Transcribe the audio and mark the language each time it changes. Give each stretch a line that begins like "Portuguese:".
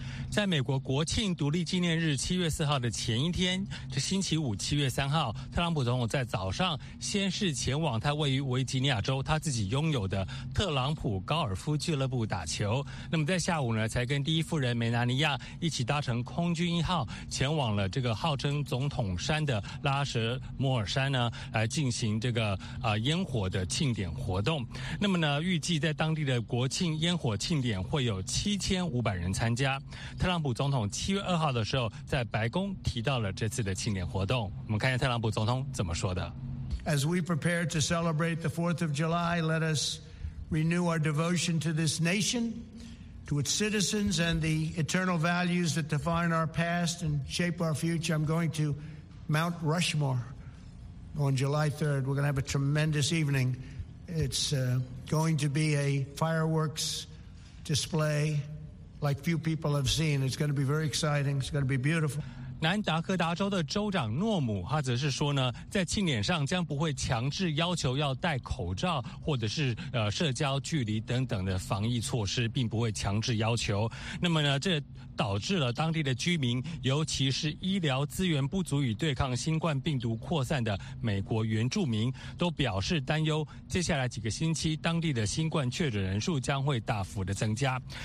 Chinese: 在美国国庆独立纪念日7月4号的前一天，这星期五7月3号，特朗普总统在早上先是前往他位于维吉尼亚州他自己拥有的特朗普高尔夫俱乐部打球，那么在下午呢，才跟第一夫人梅纳尼亚一起搭乘空军一号前往了这个号称总统山的拉什莫尔山呢，来进行这个烟火的庆典活动。那么呢，预计在当地的国庆烟火庆典会有7500人参加。特朗普总统7月2号的时候在白宫提到了这次的庆典活动，我们看一下特朗普总统怎么说的。
English: As we prepare to celebrate the 4th of July, let us renew our devotion to this nation, to its citizens, and the eternal values that define our past and shape our future. I'm going to Mount Rushmore on July 3rd. We're going to have a tremendous evening. It's going to be a fireworks display. Like few people have seen, it's going to be very exciting. It's going to be beautiful.
Chinese: 南达科达州的州长诺姆，他则是说呢，在庆典上将不会强制要求要戴口罩或者是社交距离等等的防疫措施，并不会强制要求。那么呢，这导致了当地的居民，尤其是医疗资源不足以对抗新冠病毒扩散的美国原住民，都表示担忧接下来几个星期当地的新冠确诊人数将会大幅的增加。